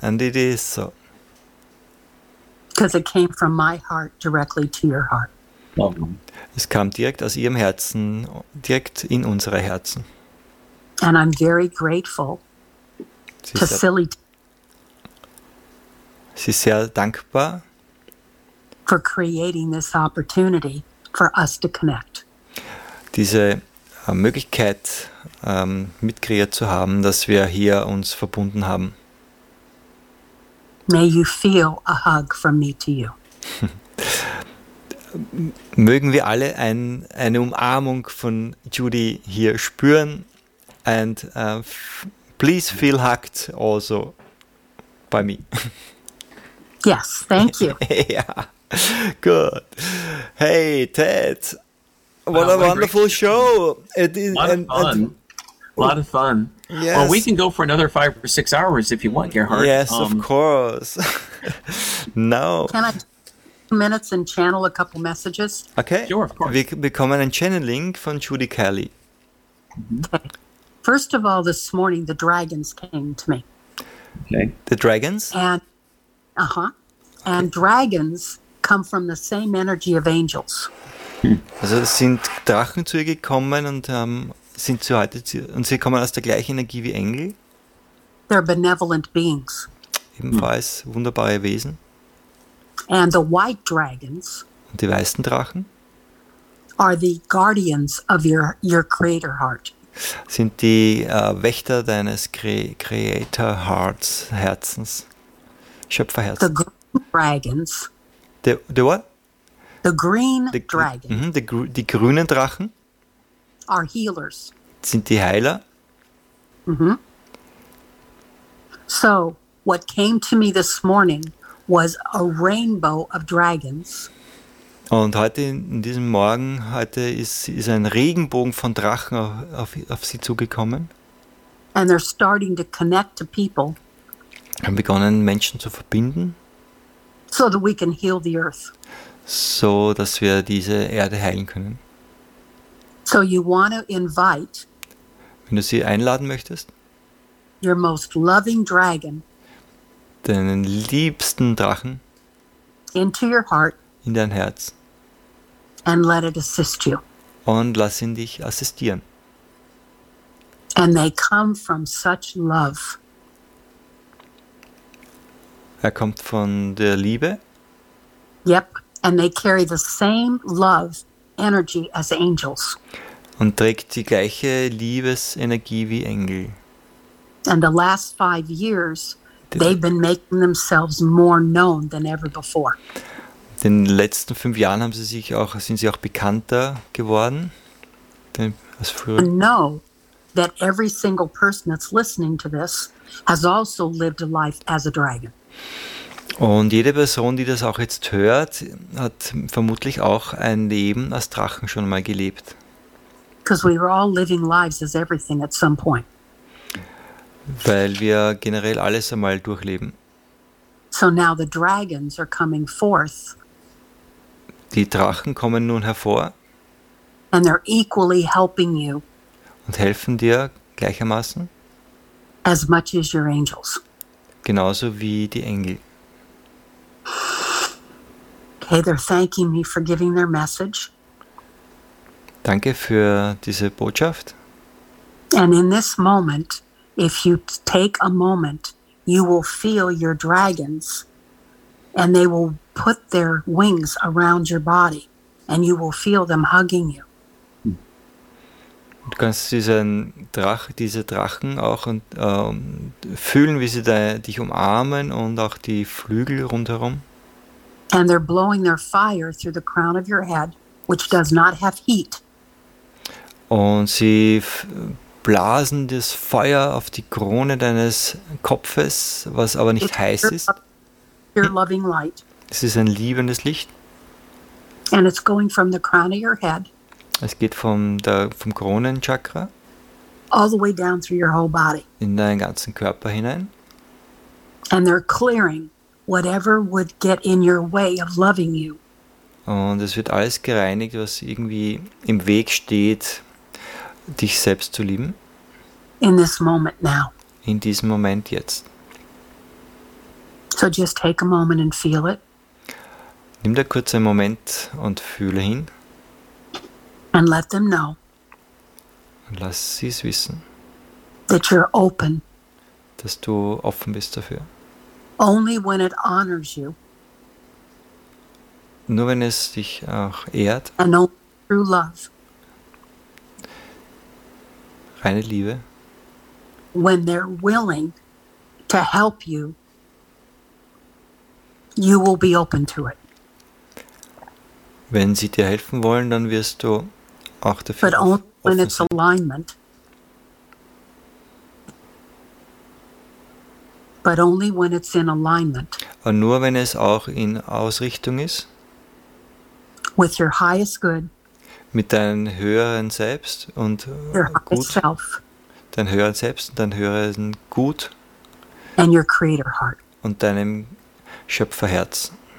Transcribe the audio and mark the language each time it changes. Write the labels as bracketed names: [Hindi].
[English] And it is so. Because it came from my heart directly to your heart. [German] Es kam direkt aus ihrem Herzen, direkt in unsere Herzen. [English] And I'm very grateful to Philly. [German] Sie ist sehr dankbar [English] for creating this opportunity for us to connect. [German] Diese Möglichkeit mitkreiert zu haben, dass wir hier uns verbunden haben. [English] May you feel a hug from me to you. [German] Mögen wir alle eine Umarmung von Judy hier spüren. [English] And please feel hugged also by me. Yes, thank you. Yeah, good. Hey, Ted. What a wonderful show. A lot of fun. Yes. Well, we can go for another 5 or 6 hours if you want, Gerhard. Yes, of course. No. Can I take 2 minutes and channel a couple messages? Okay. Sure, of course. [German] We bekommen ein Channeling von Judy Kelly. Mm-hmm. [English] First of all, this morning, the dragons came to me. Okay. The dragons? And dragons come from the same energy of angels. [German] Also sind Drachen zu ihr gekommen und sind zu heute zu ihr, und sie kommen aus der gleichen Energie wie Engel. [English] They're benevolent beings. [German] Ebenfalls wunderbare Wesen. [English] And the white dragons. [German] Und die weißen Drachen. [English] Are the guardians of your creator heart. [German] Sind die Wächter deines Creator Hearts, Herzens, Schöpferherzens. [English] The green dragons. The what? The green dragons. [German] Die grünen Drachen. [English] Are healers. [German] Sind die Heiler. Mm-hmm. [English] So, what came to me this morning was a rainbow of dragons. [German] Und heute, in diesem Morgen, heute ist ein Regenbogen von Drachen auf sie zugekommen. [English] And they're starting to connect to people. [German] Haben begonnen, Menschen zu verbinden. [English] So that we can heal the earth. [German] So, dass wir diese Erde heilen können. [English] So you want to invite, [German] wenn du sie einladen möchtest, [English] your most loving dragon, [German] deinen liebsten Drachen, [English] into your heart, [German] in dein Herz, [English] and let it assist you. [German] Und lass ihn dich assistieren. [English] And they come from such love. [German] Er kommt von der Liebe. [English] Yep. And they carry the same love energy as angels. [German] Und trägt die gleiche Liebesenergie wie Engel. [English] And the last 5 years, they've been making themselves more known than ever before. [German] In den letzten 5 Jahren sind sie auch bekannter geworden als früher. [English] And know that every single person that's listening to this has also lived a life as a dragon. [German] Und jede Person, die das auch jetzt hört, hat vermutlich auch ein Leben als Drachen schon mal gelebt. [English] Because we were all living lives as everything at some point. [German] Weil wir generell alles einmal durchleben. [English] So now the dragons are coming forth. [German] Die Drachen kommen nun hervor. [English] And they're equally helping you. [German] Und helfen dir gleichermaßen. [English] As much as your angels. [German] genauso wie die Engel. [English] Okay, they're thanking me for giving their message. [German] Danke für diese Botschaft. [English] And in this moment, if you take a moment, you will feel your dragons and they will put their wings around your body and you will feel them hugging you. [German] Du kannst diese Drachen auch fühlen, wie sie dich umarmen und auch die Flügel rundherum. [English] And they're blowing their fire through the crown of your head, which does not have heat. [German] Und sie blasen das Feuer auf die Krone deines Kopfes, was aber nicht heiß ist. [English] Your loving light. [German] Es ist ein liebendes Licht. [English] And it's going from the crown of your head. [German] Es geht vom Kronenchakra. [English] All the way down through your whole body. [German] In deinen ganzen Körper hinein. [English] And they're clearing whatever would get in your way of loving you. [German] Und es wird alles gereinigt, was irgendwie im Weg steht, dich selbst zu lieben. [English] In this moment now. [German] In diesem Moment jetzt. [English] So just take a moment and feel it. [German] Nimm da kurz einen Moment und fühle hin. [English] And let them know. [German] Und lass sie es wissen. [English] That you're open. [German] Dass du offen bist dafür. [English] Only when it honors you. [German] Nur wenn es dich auch ehrt. [English] And only through love. [German] Reine Liebe. [English] When they're willing to help you, you will be open to it. [German] Wenn sie dir helfen wollen, dann wirst du auch dafür offen sein. [English] But only when it's alignment. But only when it's in alignment. [German] Aber nur wenn es auch in Ausrichtung ist. [English] With your highest good. [German] Mit deinem höheren Selbst und [English] your Gut. Self. [German] Dein höheres Selbst und dein höheres Gut. [English] And your creator heart. [German] Und deinem Schöpferherz.